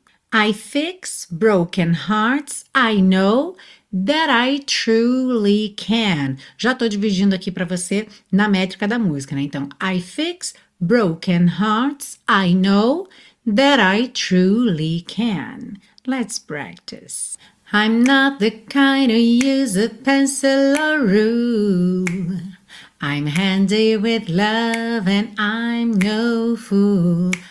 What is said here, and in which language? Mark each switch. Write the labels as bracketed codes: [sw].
[en] I fix broken hearts, I know. That I truly can. [pt] Já estou dividindo aqui para você na métrica da música, né? [en] Então, I fix broken hearts, I know that I truly can. Let's practice. I'm not the kind who use a pencil or rule. I'm handy with love and I'm no fool.